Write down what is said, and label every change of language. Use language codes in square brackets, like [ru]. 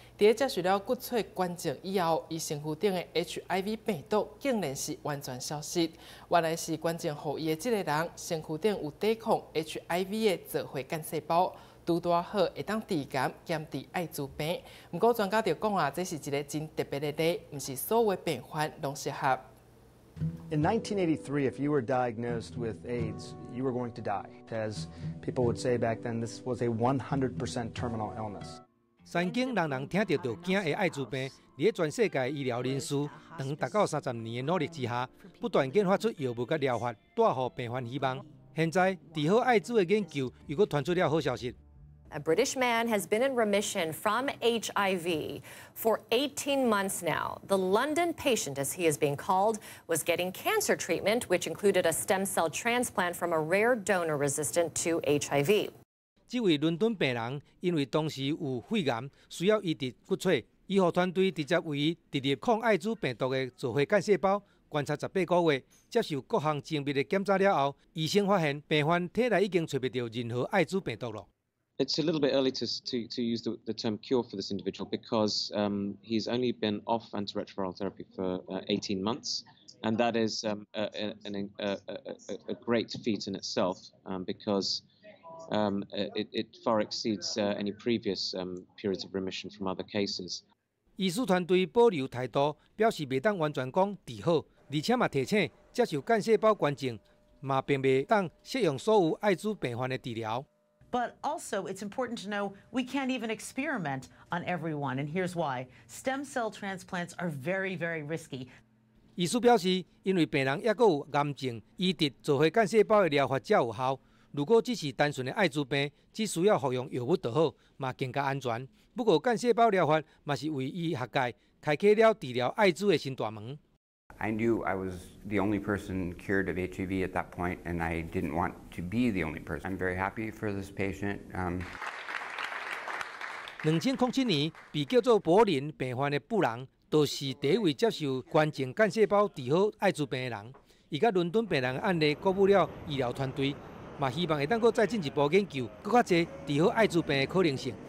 [nan] 在接受了骨髓捐赠以后，伊身躯顶的 HIV 病毒竟然是完全消失。原来是捐赠给伊的这个人身躯顶有抵抗 HIV 的造血干细胞。都多好，会当治癌兼治艾滋病。不过专家就讲啊，这是一个真特别的例，不是所有病患拢适合。 [en] In 1983, if you were diagnosed with AIDS, you were going to die. As people would say back then, this was a 100% terminal illness. [nan] 曾经人人听到就惊的艾滋病，在全世界医疗人士长达到三十年的努力之下，不断研发出药物和疗法，带予病患希望。现在治好艾滋的研究又搁传出了好消息。 [en] A British man has been in remission from HIV for 18 months now. The London patient, as he is being called, was getting cancer treatment, which included a stem cell transplant from a rare donor resistant to HIV. [nan] 这位伦敦病人因为当时有肺癌，需要移植骨髓，医护团队直接为伊植入抗艾滋病毒的造血干细胞，观察18个月，接受各项精密的检查了后，医生发现病患体内已经找不到任何艾滋病毒了。 [en] It's a little bit early to use the term cure for this individual because he's only been off antiretroviral therapy for 18 months, and that is a great feat in itself because it far exceeds any previous periods of remission from other cases. [nan] 医师团队保留态度，表示未当完全讲治好，而且嘛提醒接受干细胞捐赠嘛并未当适用所有艾滋病患的治疗。 [en] But also, it's important to know we can't even experiment on everyone, and here's why: stem cell transplants are very, very risky. [nan] 医师表示，因为病人还阁有癌症，移植造血干细胞的疗法才有效。如果只是单纯的艾滋病，只需要服用药物就好，嘛更加安全。不过，干细胞疗法嘛是为医学界开启了治疗艾滋的新大门。 [en] I knew I was the only person cured of HIV at that point, and I didn't want to be the only person. I'm very happy for this patient. [nan] 2007年，被叫做柏林病患的布朗，都是第一位接受捐赠干细胞治好艾滋病的人。伊甲伦敦病人的案例鼓舞了医疗团队，嘛希望会当阁再进一步研究，阁较侪治好艾滋病的可能性。